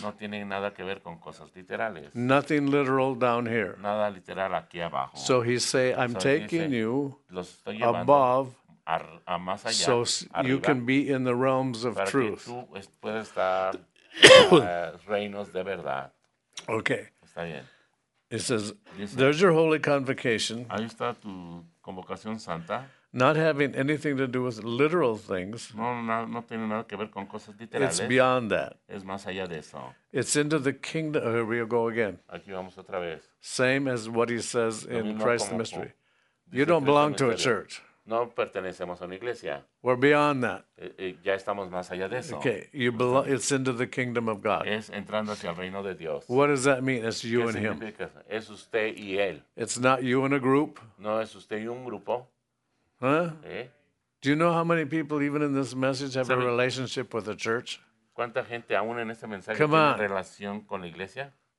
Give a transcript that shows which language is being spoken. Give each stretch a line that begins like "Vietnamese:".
Spanish: No tiene nada que ver con cosas literales.
English: Nothing literal down here.
Spanish: Nada literal aquí abajo.
English: So he say, I'm so taking
Spanish: dice,
English: you
Spanish: los estoy llevando
English: above
Spanish: a más allá,
English: so
Spanish: arriba,
English: you can be in the realms of
Spanish: para
English: truth.
Spanish: Que tú puedes estar reinos de verdad.
English: Okay.
Spanish: Está bien.
English: It says,
Spanish: dice,
English: there's your holy convocation.
Spanish: Ahí está tu convocación santa.
English: Not having anything to do with literal things.
Spanish: No, no, no tiene nada que ver con cosas literales.
English: It's beyond that.
Spanish: Es más allá de eso.
English: It's into the kingdom. Oh, here we go again.
Spanish: Aquí vamos otra vez.
English: Same as what he says in Christ the Mystery. You don't belong to a church.
Spanish: No pertenecemos a una iglesia.
English: We're beyond that.
Spanish: Ya estamos más allá de eso.
English: Okay, you belong, it's into the kingdom of God.
Spanish: Es entrando hacia el reino de Dios.
English: What does that mean? It's you
Spanish: ¿qué
English: and him.
Spanish: Es usted y él.
English: It's not you and a group.
Spanish: No es usted y un grupo. Huh? ¿Eh?
English: Do you know how many people, even in this message, have a relationship with the church?
Spanish: ¿Cuánta gente aún en este mensaje tiene una relación con la iglesia?